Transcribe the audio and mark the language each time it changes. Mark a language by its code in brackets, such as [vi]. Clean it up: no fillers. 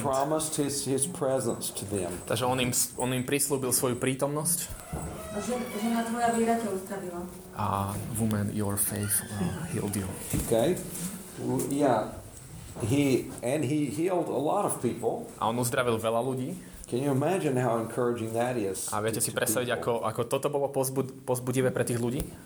[en] Yeah, he promised his presence to them. [sk] Takže on im prislúbil svoju prítomnosť. Žena, tvoja viera ťa uzdravila. [en] Woman, your faith healed you. Okay. Yeah. He healed a lot of people. [sk] A on uzdravil veľa ľudí. [en] Can you imagine how encouraging that is? [sk] A viete si predstaviť, ako toto bolo pozbudivé pre tých ľudí?